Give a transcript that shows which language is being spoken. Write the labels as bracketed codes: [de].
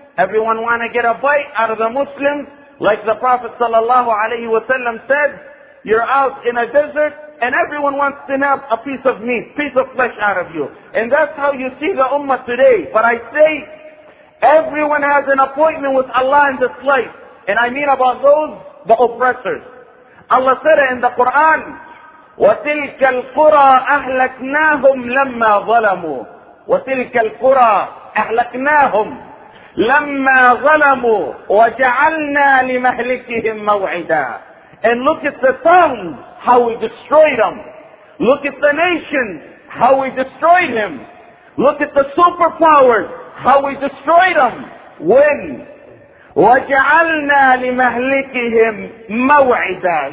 [en] Everyone want to get a bite out of the Muslims. Like the Prophet sallallahu alaihi wasallam said, you're out in a desert and everyone wants to nab a piece of meat, piece of flesh out of you. And that's how you see the Ummah today. But I say, everyone has an appointment with Allah in this life. And I mean about those, the oppressors. Allah said in the Quran, [ar] وَتِلْكَ الْقُرَىٰ أَهْلَكْنَاهُمْ لَمَّا ظَلَمُوا وَتِلْكَ الْقُرَىٰ أَهْلَكْنَاهُمْ لَمَّا ظَلَمُوا وَجَعَلْنَا لِمَهْلِكِهِمْ مَوْعِدًا. [en] And look at the towns, how we destroyed them. Look at the nations, how we destroyed them. Look at the superpowers, how we destroyed them. When? [ar] وَجَعَلْنَا لِمَهْلِكِهِمْ مَوْعِدًا.